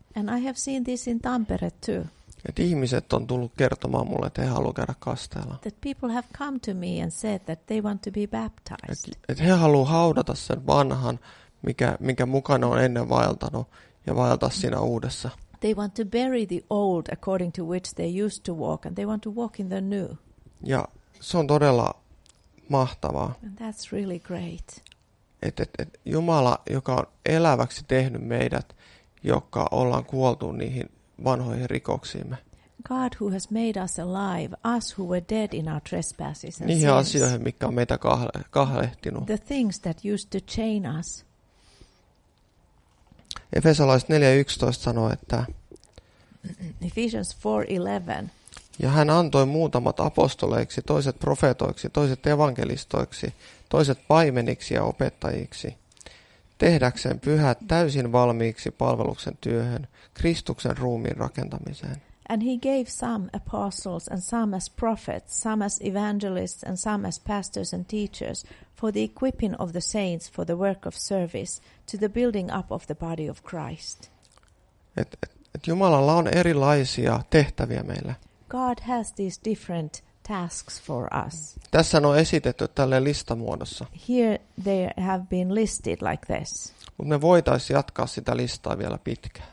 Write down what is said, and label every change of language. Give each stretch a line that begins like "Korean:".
English: And I have seen this in Tampere too.
Finnish: Että ihmiset on tullut kertomaan mulle, että he haluaa käydä kasteella.
English: That people have come to me and said that they want to be baptized.
Finnish: Et he haluaa haudata sen vanhan, mikä mukana on ennen vaeltanut, ja vaeltaa siinä uudessa.
English: They want to bury the old according to which they used to walk, and they want to walk in the new.
Finnish: Ja se on todella mahtavaa.
English: And that's really great.
Finnish: Et Jumala, joka on eläväksi tehnyt meidät, joka ollaan kuoltu niihin vanhoihin rikoksiimme.
English: God who has made us alive, us who were dead in our trespasses and sins.
Finnish: Niihin asioihin, mitkä on meitä kahlehtinut.
English: The things that used to chain us.
Finnish: Efesolaiset 4.11 sanoo, että
English: Ephesians 4.11
Finnish: ja hän antoi muutamat apostoleiksi, toiset profeetoiksi, toiset evankelistoiksi, toiset paimeniksi ja opettajiksi, tehdäkseen pyhät täysin valmiiksi palveluksen työhön, Kristuksen ruumiin rakentamiseen.
English: And he gave some apostles and some as prophets, some as evangelists and some as pastors and teachers for the equipping of the saints for the work of service to the building up of the body of Christ.
Finnish: Et Jumalalla on erilaisia tehtäviä meillä.
English: God has these different tasks for us.
Finnish: Tässä on esitetty tälle listamuodossa.
English: Here they have been listed like this.
Finnish: Mut me voitaisiin jatkaa sitä listaa vielä pitkään.